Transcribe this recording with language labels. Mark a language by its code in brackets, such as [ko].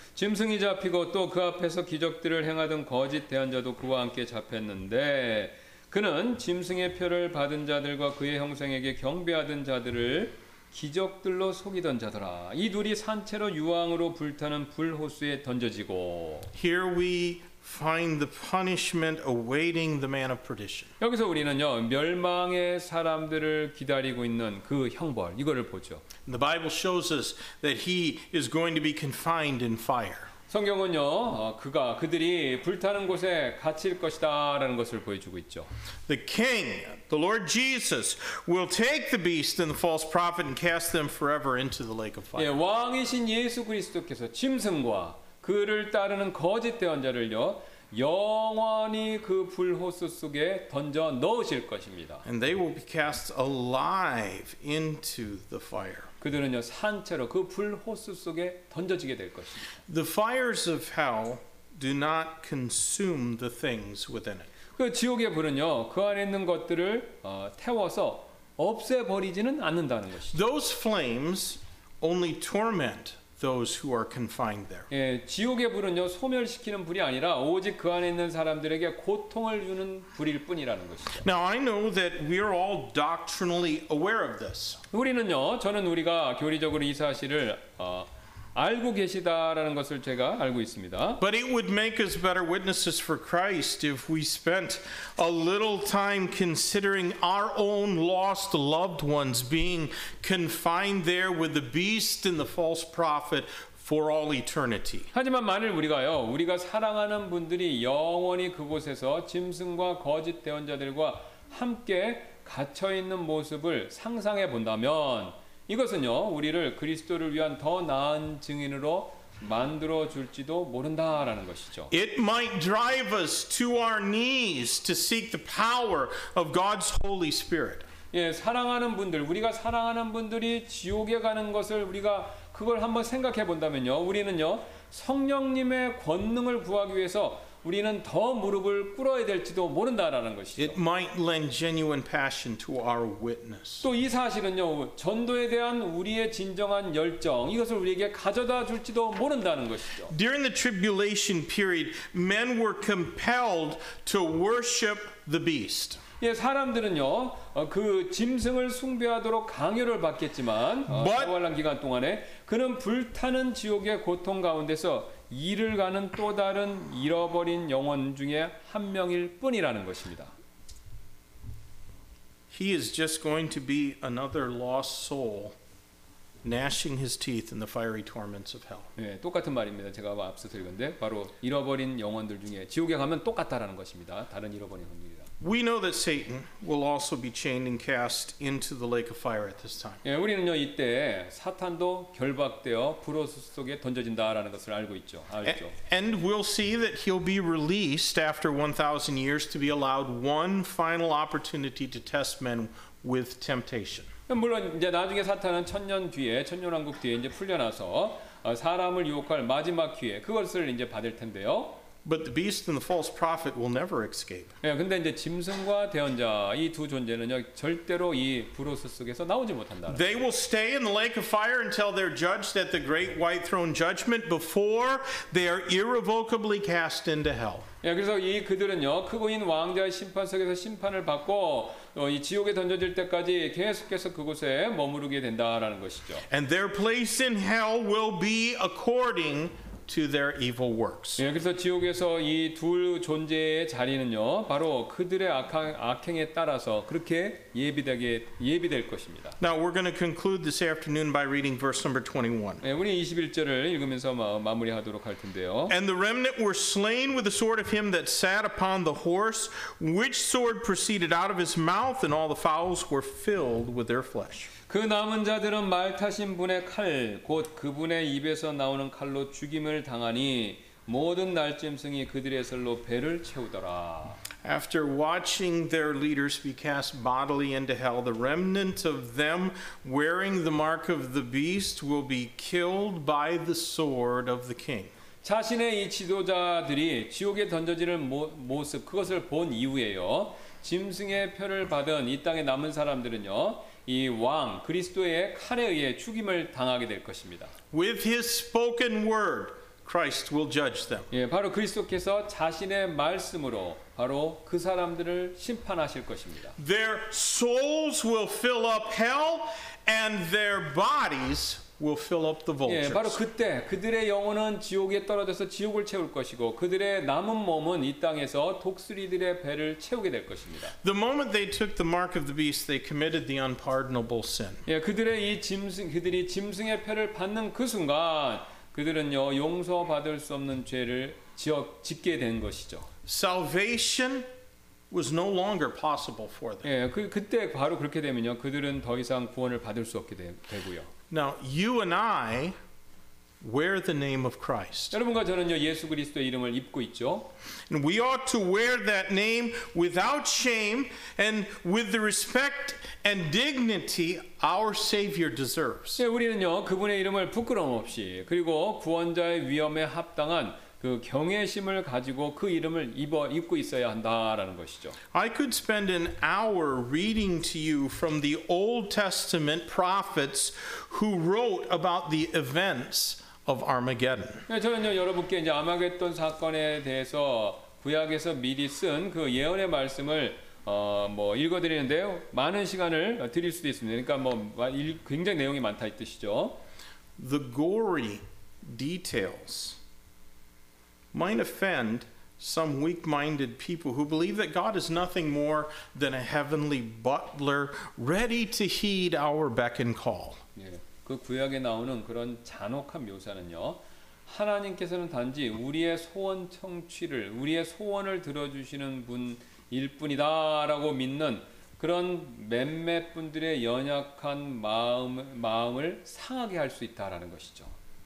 [ko] 짐승이 잡히고 또 그 앞에서 기적들을 행하던 거짓 대언자도 그와 함께 잡혔는데 그는 짐승의 표를 받은 자들과 그의 형상에게 경배하던 자들을 기적들로 속이던 자더라. 이 둘이 산채로 유황으로 불타는 불호수에 던져지고. [en] Here we find the punishment awaiting the man of perdition. [ko] 여기서 우리는요 멸망의 사람들을 기다리고 있는 그 형벌 이거를 보죠. [en] The Bible shows us that he is going to be confined in fire. [ko] 성경은요 그가 그들이 불타는 곳에 갇힐 것이다라는 것을 보여주고 있죠. [en] The King, the Lord Jesus, will take the beast and the false prophet and cast them forever into the lake of fire. [ko] 예, 왕이신 예수 그리스도께서 짐승과 그를 따르는 거짓 대언자를요 영원히 그 불호수 속에 던져 넣으실 것입니다. [en] And they will be cast alive into the fire. [ko] 그들은요 산채로 그 불호수 속에 던져지게 될 것입니다. [en] The fires of hell do not consume the things within it. [ko] 그 지옥의 불은요 그 안에 있는 것들을 태워서 없애 버리지는 않는다는 것이죠. [en] Those flames only torment those who are confined there. [ko] 예, 지옥의 불은요 소멸시키는 불이 아니라 오직 그 안에 있는 사람들에게 고통을 주는 불일 뿐이라는 것이죠. [en] Now I know that we are all doctrinally aware of this. [ko] 우리는요, 저는 우리가 교리적으로 이 사실을 알고 계시다라는 것을 제가 알고 있습니다. [en] But it would make us better witnesses for Christ if we spent a little time considering our own lost loved ones being confined there with the beast and the false prophet for all eternity. [ko] 하지만 만일 우리가요, 우리가 사랑하는 분들이 영원히 그곳에서 짐승과 거짓 대언자들과 함께 갇혀 있는 모습을 상상해 본다면 이것은요 우리를 그리스도를 위한 더 나은 증인으로 만들어 줄지도 모른다라는 것이죠. [en] It might drive us to our knees to seek the power of God's Holy Spirit. [ko] 예, 사랑하는 분들, 우리가 사랑하는 분들이 지옥에 가는 것을 우리가 그걸 한번 생각해 본다면요, 우리는요 성령님의 권능을 구하기 위해서 우리는 더 무릎을 꿇어야 될지도 모른다라는 것이죠. [en] It might lend genuine passion to our witness. [ko] 또 이 사실은요, 전도에 대한 우리의 진정한 열정, 이것을 우리에게 가져다 줄지도 모른다는 것이죠. [en] During the tribulation period, men were compelled to worship the beast. [ko] 예, 사람들은요, 그 짐승을 숭배하도록 강요를 받겠지만, 사활란 기간 동안에 그는 불타는 지옥의 고통 가운데서 이를 가는 또 다른 잃어버린 영혼 중에 한 명일 뿐이라는 것입니다. [en] He is just going to be another lost soul gnashing his teeth in the fiery torments of hell. [ko] 예, 똑같은 말입니다. 제가 앞서 들었는데 바로 잃어버린 영혼들 중에 지옥에 가면 똑같다라는 것입니다. 다른 잃어버린 영혼들이라. [en] We know that Satan will also be chained and cast into the lake of fire at this time. [ko] 예, 우리는요 이때 사탄도 결박되어 불호수 속에 던져진다라는 것을 알고 있죠. 알죠. [en] And we'll see that he'll be released after 1000 years to be allowed one final opportunity to test men with temptation. [ko] 물론 이제 나중에 사탄은 1000년 뒤에 천년왕국 뒤에 이제 풀려나서 사람을 유혹할 마지막 기회 그것을 이제 받을 텐데요. [en] But the beast and the false prophet will never escape. [ko] 예, 근데 이제 짐승과 대언자 이 두 존재는요 절대로 이 브로스 속에서 나오지 못한다. [en] They will stay in the lake of fire until they're judged at the great white throne judgment before they are irrevocably cast into hell. [ko] 예, 그래서 이 그들은요 크고인 왕자의 심판석에서 심판을 받고 이 지옥에 던져질 때까지 계속해서 그곳에 머무르게 된다라는 것이죠. [en] And their place in hell will be according to their evil works. [ko] 예, 그래서 지옥에서 이 두 존재의 자리는요, 바로 그들의 악행에 따라서 그렇게 예비될 것입니다. [en] Now we're going to conclude this afternoon by reading verse number 21. [ko] 예, 우리 21절을 읽으면서 마무리하도록 할 텐데요. [en] And the remnant were slain with the sword of him that sat upon the horse, which sword proceeded out of his mouth, and all the fowls were filled with their flesh. [ko] 그 남은 자들은 말 타신 분의 칼, 곧 그분의 입에서 나오는 칼로 죽임을 당하니 모든 날짐승이 그들의 설로 배를 채우더라. [en] After watching their leaders be cast bodily into hell, the remnant of them wearing the mark of the beast will be killed by the sword of the king. [ko] 자신의 이 지도자들이 지옥에 던져지는 모습, 그것을 본 이후에요. 짐승의 표를 받은 이 땅에 남은 사람들은요. 이 왕 그리스도의 칼에 의해 죽임을 당하게 될 것입니다. [en] With his spoken word, Christ will judge them. [ko] 예, 바로 그리스도께서 자신의 말씀으로 바로 그 사람들을 심판하실 것입니다. [en] Their souls will fill up hell and their bodies will fill up the vultures. [ko] 예, 바로 그때 그들의 영혼은 지옥에 떨어져서 지옥을 채울 것이고 그들의 남은 몸은 이 땅에서 독수리들의 배를 채우게 될 것입니다. [en] The moment they took the mark of the beast, they committed the unpardonable sin. [ko] 예, 그들의 이 짐승 그들이 짐승의 표를 받는 그 순간 그들은요 용서받을 수 없는 죄를 짓게 된 것이죠. [en] Salvation was no longer possible for them. [ko] 예, 그때 바로 그렇게 되면요 그들은 더 이상 구원을 받을 수 없게 되고요. [en] Now you and I wear the name of Christ. [ko] 여러분과 저는요 예수 그리스도의 이름을 입고 있죠. [en] And we ought to wear that name without shame and with the respect and dignity our Savior deserves. [ko] 예, 우리는요 그분의 이름을 부끄럼 없이 그리고 구원자의 위엄에 합당한 그 경외심을 가지고 그 이름을 입고 있어야 한다라는 것이죠. [en] I could spend an hour reading to you from the Old Testament prophets who wrote about the events of Armageddon. [ko] 네, 저는요 여러분께 이제 아마겟돈 사건에 대해서 구약에서 미리 쓴 그 예언의 말씀을 뭐 읽어드리는데요. 많은 시간을 드릴 수도 있습니다. 그러니까 뭐 굉장히 내용이 많다 이 뜻이죠. [en] The gory details might offend some weak-minded people who believe that God is nothing more than a heavenly butler ready to heed our beck and call. [ko] 예, 그 구약에 나오는 그런 잔혹한 묘사는요, 하나님께서는 단지 우리의 소원 청취를 우리의 소원을 들어주시는 분일 뿐이다라고 믿는 그런 몇몇 분들의 연약한 마음을 상하게 할 수 있다라는 것이죠.